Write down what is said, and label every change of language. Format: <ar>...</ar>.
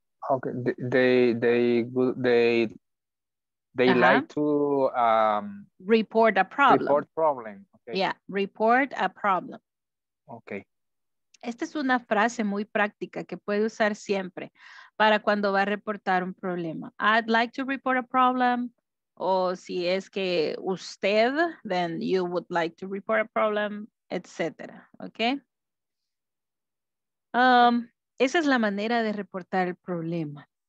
<en>Ok, they like to report a problem. Report problem, okay. Yeah, report a problem. Ok.</en> <es>Esta es una frase muy práctica que puede usar siempre para cuando va a reportar un problema.</es> <en>I'd like to report a problem.</en> <es>O si es que usted,</es> <en>then you would like to report a problem, etc. ¿Ok?</en> <es>Esa es la manera de reportar el problema.</es>